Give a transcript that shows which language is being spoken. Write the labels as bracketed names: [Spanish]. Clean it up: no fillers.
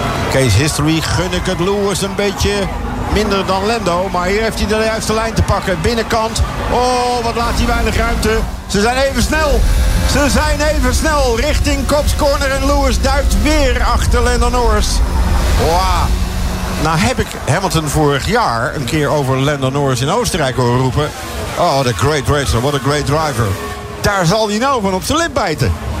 [Dutch] Case history gun ik het Lewis een beetje. Minder dan Lando, maar hier heeft hij de juiste lijn te pakken. Binnenkant. Oh, wat laat hij weinig ruimte. Ze zijn even snel. Ze zijn even snel richting kopscorner en Lewis duikt weer achter Lando Norris. Wow. Nou heb ik Hamilton vorig jaar een keer over Lando Norris in Oostenrijk horen roepen. [English] Oh, the great racer, what a great driver. [Dutch] Daar zal hij nou van op zijn lip bijten.